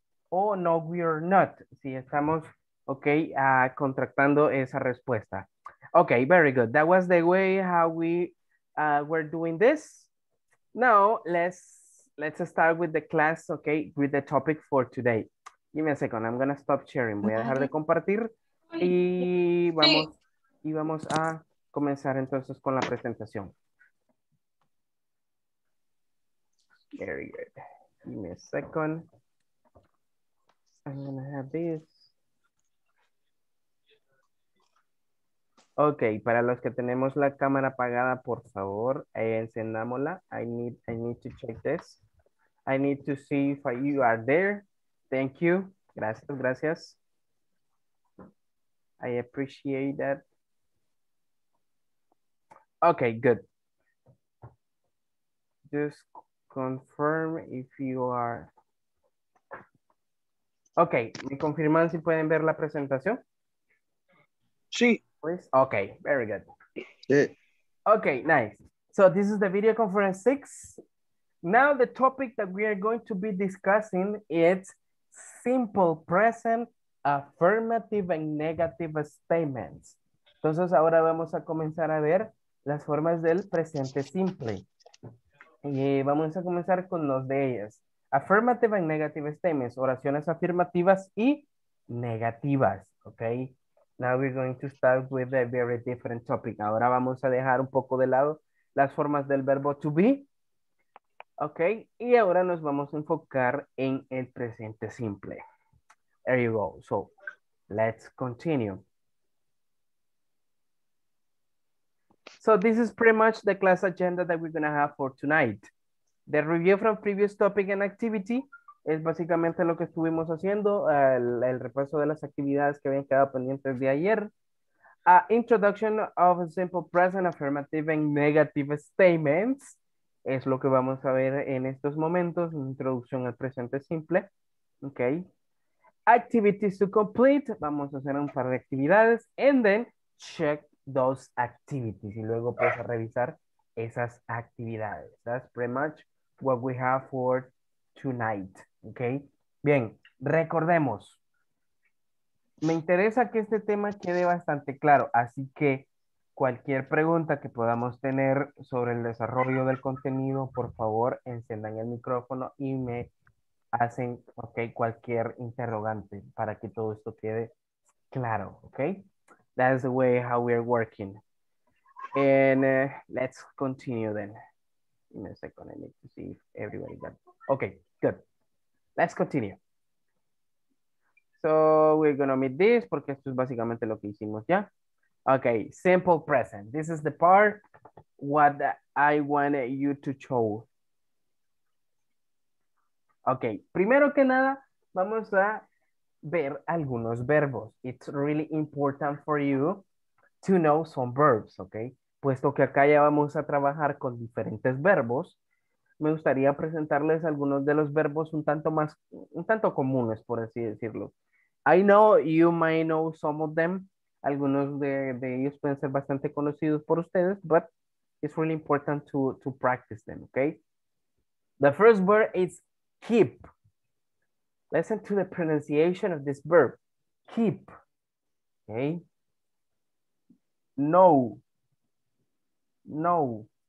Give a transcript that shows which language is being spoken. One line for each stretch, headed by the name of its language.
Spanish: O no,
English: we are not.
Spanish: Si estamos, ok, contractando esa respuesta. Ok,
English: very good. That was the way how we were doing this. Now, let's start with the class, ok, with the topic for today. Give me a second, I'm going to stop sharing.
Spanish: Voy a dejar de compartir y vamos a comenzar entonces con la presentación.
English: Very good. Give me a second. I'm going to have this.
Spanish: Ok, para los que tenemos la cámara apagada, por favor, encendámosla.
English: I need to check this. I need to see if you are there. Thank you.
Spanish: Gracias, gracias.
English: I appreciate that. Okay, good. Just confirm if you are.
Spanish: Okay, ¿me confirman si pueden ver la presentación? Sí.
English: Please? Okay, very good.
Spanish: Sí.
English: Okay, nice. So this is the video conference 6. Now the topic that we are going to be discussing is simple present, affirmative and negative statements.
Spanish: Entonces ahora vamos a comenzar a ver las formas del presente simple. Y vamos a comenzar con dos de ellas.
English: Affirmative and negative statements,
Spanish: oraciones afirmativas y negativas, ¿ok?
English: Now we're going to start with a very different topic.
Spanish: Ahora vamos a dejar un poco de lado las formas del verbo to be, ¿ok? Y ahora nos vamos a enfocar en el presente simple.
English: There you go. So, let's continue. So, this is pretty much the class agenda that we're going to have for tonight. The review from previous topic and activity
Spanish: es básicamente lo que estuvimos haciendo, el repaso de las actividades que habían quedado pendientes de ayer.
English: Introduction of a simple present, affirmative and negative statements
Spanish: es lo que vamos a ver en estos momentos, introducción al presente simple. Okay.
English: Activities to complete,
Spanish: vamos a hacer un par de actividades,
English: and then check those activities,
Spanish: y luego pues a revisar esas actividades.
English: That's pretty much what we have for tonight, okay?
Spanish: Bien, recordemos, me interesa que este tema quede bastante claro, así que cualquier pregunta que podamos tener sobre el desarrollo del contenido, por favor, encendan el micrófono y me hacen, okay, cualquier interrogante para que todo esto quede claro, okay?
English: That's the way how we are working. And let's continue then. In a second, I need to see if everybody got it. Okay, good. Let's continue. So we're going to meet this
Spanish: porque esto es básicamente lo que hicimos ya.
English: Okay, simple present. This is the part what I want you to show.
Spanish: Okay, primero que nada, vamos a ver algunos verbos.
English: It's really important for you to know some verbs, okay?
Spanish: Puesto que acá ya vamos a trabajar con diferentes verbos, me gustaría presentarles algunos de los verbos un tanto comunes, por así decirlo.
English: I know you might know some of them.
Spanish: Algunos de ellos pueden ser bastante conocidos por ustedes,
English: but it's really important to practice them,
Spanish: okay?
English: The first verb is keep. Listen to the pronunciation of this verb. Keep. Okay. Know. Know.